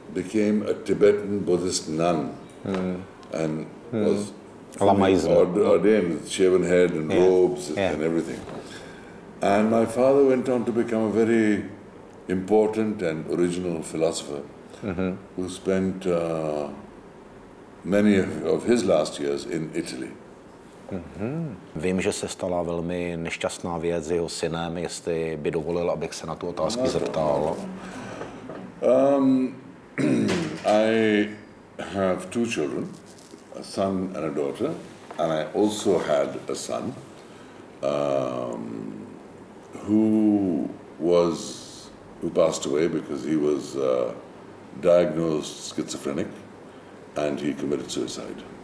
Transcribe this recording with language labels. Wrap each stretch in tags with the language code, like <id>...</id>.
<en>became a Tibetan Buddhist nun and was ordained with shaven head and robes and everything. And my father went on to become a very important and original philosopher who spent many of his last years in Italy. Mm-hmm.</en> <cs>Vím, že se stala velmi nešťastná věc s jeho synem, jestli by dovolil, abych se na tu otázku zeptal.</cs> <en>I have two children, a son and a daughter, and I also had a son who passed away because he was diagnosed schizophrenic and he committed suicide.</en>